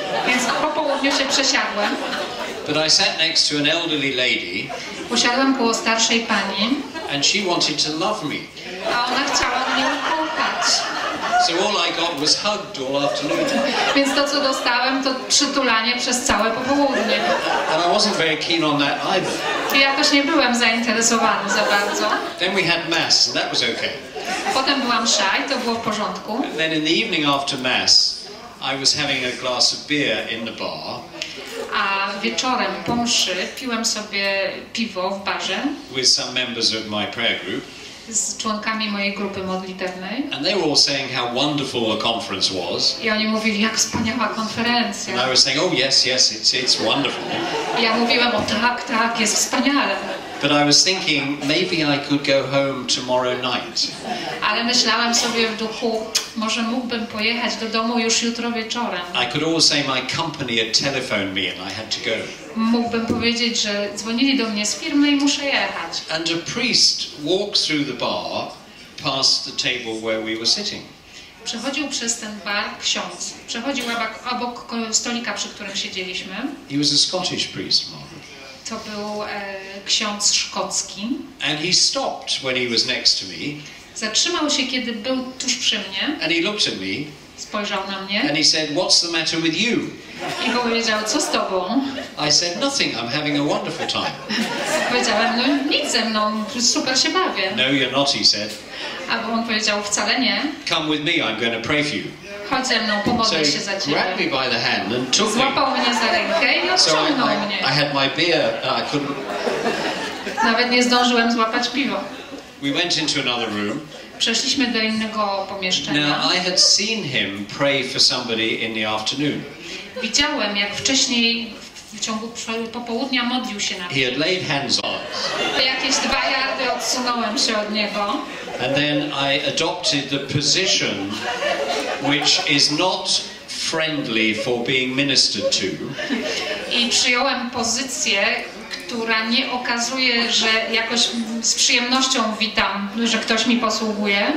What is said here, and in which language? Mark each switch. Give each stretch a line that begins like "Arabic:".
Polish: Więc po południu się przesiadłem.
English: But I sat next to an elderly lady.
Polish: Usiadłem koło starszej pani.
English: And she wanted to love me.
Polish: A ona chciała mnie ukochać.
English: So all I got was hugged all afternoon.
Polish: Więc to co dostałem to przytulanie przez całe popołudnie.
English: And I wasn't very keen on that either.
Polish: I jakoś nie byłem zainteresowany za bardzo.
English: Then we had mass and that was okay.
Polish: Potem była msza i to było w porządku.
English: And then in the evening after mass, I was having a glass of beer in the bar.
Polish: A wieczorem po mszy piłem sobie piwo w barze.
English: With some members of my prayer group.
Polish: Z członkami mojej grupy modlitewnej.
English: And they were all saying how wonderful a conference was.
Polish: I oni mówili, jak wspaniała konferencja.
English: And I was saying, oh yes, yes, it's wonderful.
Polish: I ja mówiłem, o tak, tak, jest wspaniale.
English: But I was thinking, maybe I could go home tomorrow night.
Polish: Ale myślałem sobie w duchu, może mógłbym pojechać do domu już jutro wieczorem.
English: I could always say my company had telephoned me and I had to go.
Polish: Mógłbym powiedzieć, że dzwonili do mnie z firmy i muszę jechać.
English: And a priest walked through the bar past the table where we were sitting.
Polish: Przechodził przez ten bar ksiądz. Przechodził obok stolika, przy którym siedzieliśmy.
English: He was a Scottish priest, Margaret.
Polish: To był ksiądz szkocki.
English: And he stopped when he was next to me.
Polish: Zatrzymał się, kiedy był tuż przy mnie.
English: And he looked at me.
Polish: Spojrzał na mnie.
English: And he said, "What's the matter with you?"
Polish: I powiedział, co z tobą?
English: I said, "Nothing, I'm having a wonderful time."
Polish: Powiedziałem, no nic ze mną, super się bawię.
English: "No, you're not," he said.
Polish: A on powiedział, wcale nie.
English: "Come with me, I'm going to pray for you."
Polish: Chodź ze mną, pomodlę się za ciebie.
English: Grabbed me by the hand and took me.
Polish: Złapał mnie za rękę i odciągnął mnie.
English: I had my beer, I couldn't.
Polish: Nawet nie zdążyłem złapać piwo.
English: We went into another room.
Polish: Przeszliśmy do innego pomieszczenia.
English: Now, I had seen him pray for somebody in the afternoon.
Polish: Widziałem, jak wcześniej w ciągu popołudnia modlił się na mnie.
English: He had laid hands on.
Polish: Jakieś dwa jardy odsunąłem się od niego.
English: And then I adopted the position which is not friendly for being ministered to.
Polish: I przyjąłem pozycję, która nie okazuje, że jakoś z przyjemnością witam, że ktoś mi posługuje.